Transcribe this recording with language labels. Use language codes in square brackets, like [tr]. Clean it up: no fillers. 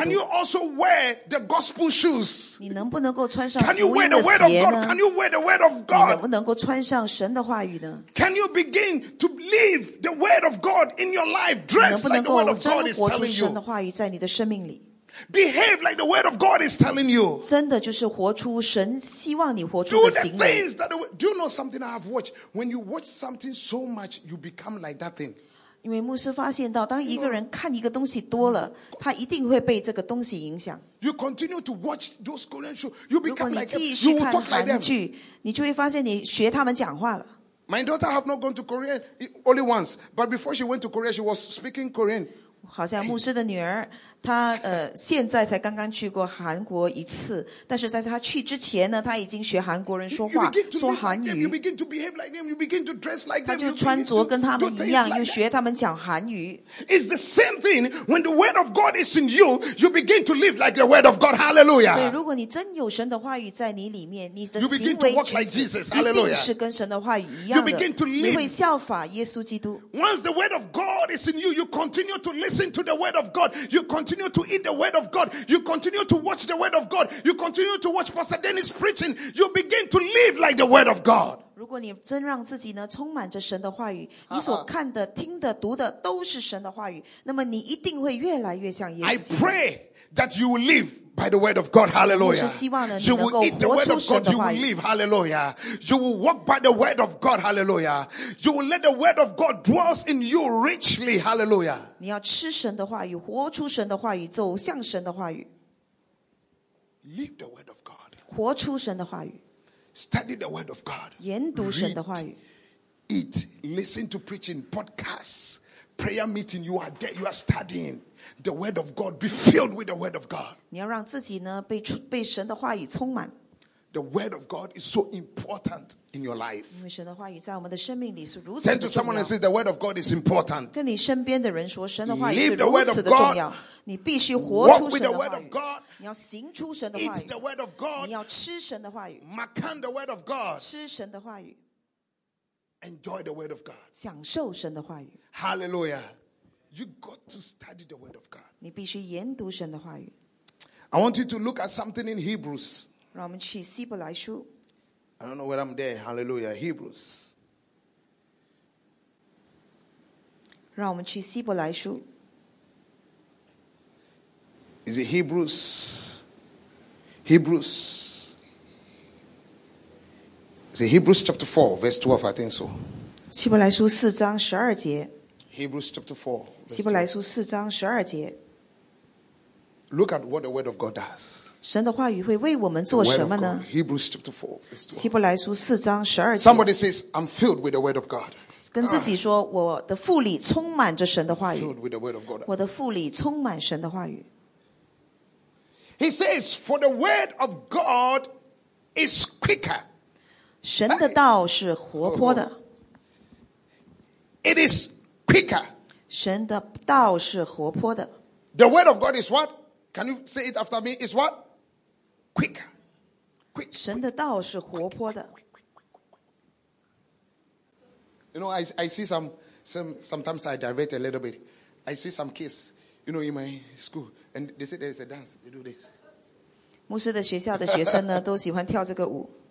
[en] Can you also wear the gospel shoes? [zh] 你能不能够穿上福音的鞋呢？ [en] Can you wear the word of God? Can you wear the word of God? [zh] 你能不能够穿上神的话语呢？ [en] Can you begin to live the word of God in your life? Dress like the word of God is telling you. [zh] 能不能够活出神的话语在你的生命里？ [en] Behave like the word of God is telling you. [zh] 真的就是活出神希望你活出的行为。 [en] Do you know something I have watched? When you watch something so much, you become like that thing. [zh] 因为牧师发现到，当一个人看一个东西多了，他一定会被这个东西影响。 [en] You continue to watch those Korean shows, you become like them. You will talk like them. [zh] 你就会发现你学他们讲话了。 [en] My daughter have not gone to Korea only once, but before she went to Korea, she was speaking Korean. [zh] 好像牧师的女儿她现在才刚刚去过韩国一次但是在她去之前呢她已经学韩国人说话 说韩语 [en] you begin to behave like them, you begin to dress like them, [zh] 她就穿着跟他们一样又学他们讲韩语 [en] It's the same thing when the word of God is in you you begin to live like the word of God hallelujah [zh] 对如果你真有神的话语在你里面你的行 [en] 为 like Jesus, hallelujah. [zh] 一定是跟神的话语一样的 [en] you begin to live. [zh] 你会效法耶稣基督 [en] Once the word of God is in you you continue to liveListen to the word of God. You continue to eat the word of God. You continue to watch the word of God. You continue to watch Pastor Dennis preaching. You begin to live like the word of God. [zh] 如果你真让自己呢充满着神的话语，你所看的、听的、读的都是神的话语，那么你一定会越来越像耶稣。 [en] I pray that you will live. By the word of God, hallelujah. [zh] 牧师希望呢， [en] you will eat the word of God, you will live, hallelujah. You will walk by the word of God, hallelujah. You will let the word of God dwell in you richly, hallelujah. [zh] 你要吃神的话语，活出神的话语，走向神的话语。 [en] Live the word of God. [zh] 活出神的话语。 [en] Study the word of God. [zh] 研读神的话语。 [en] Read, eat, listen to preaching, podcasts, prayer meeting, you are there, you are studying. The word of God be filled with the word of God. [zh] 你要让自己呢被神的话语充满。 [en] The word of God is so important in your life. [zh] 因为神的话语在我们的生命里是如此的重要。 [en] Turn to someone and say the word of God is important. [zh] 跟你身边的人说神的话语是如此的重要。 [en] Live the word of God. [zh] 你必须活出神的话语。 [en] Walk with the word of God. [zh] 你要行出神的话语。 [en] Eat the word of God. [zh] 你要吃神的话语。 [en] Makan the word of God. [zh] 吃神的话语。 [en] Enjoy the word of God. [zh] 享受神的话语。 [en] Hallelujah. You got to study the word of God. [zh] 你必须研读神的话语。 [en] I want you to look at something in Hebrews. [zh] 让我们去希伯来书。 [en] I don't know where I'm there. Hallelujah. Hebrews. [zh] 让我们去希伯来书。 [en] Is it Hebrews? Hebrews. Is it Hebrews chapter 4, verse 12? I think so. [zh] 希伯来书四章十二节。 [en] Hebrews chapter 4. [zh] 希伯来书四章十二节 [en] Look at what the word of God does. [zh] 神的话语会为我们做什么呢？ [en] Hebrews chapter 4, [zh] 希伯来书四章十二节。 [en] Somebody says, I'm filled with the word of God. [zh] 跟自己说，我的腹里充满着神的话语。 [en] Filled with the word of God. [zh] 我的腹里充满神的话语。 [en] He says, for the word of God is quicker. [zh] 神的道是活泼的。 [en] It is quicker. [zh] 神的道是活泼的。 [en] The word of God is what? Can you say it after me? Is what? Quick. Quick. [zh] 神的道是活泼的。 [en] You know, I see sometimes I divert a little bit. I see some kids, you know, in my school, and they say there is a dance. They do this. [zh] 牧师的学校的学生呢，都喜欢跳这个舞。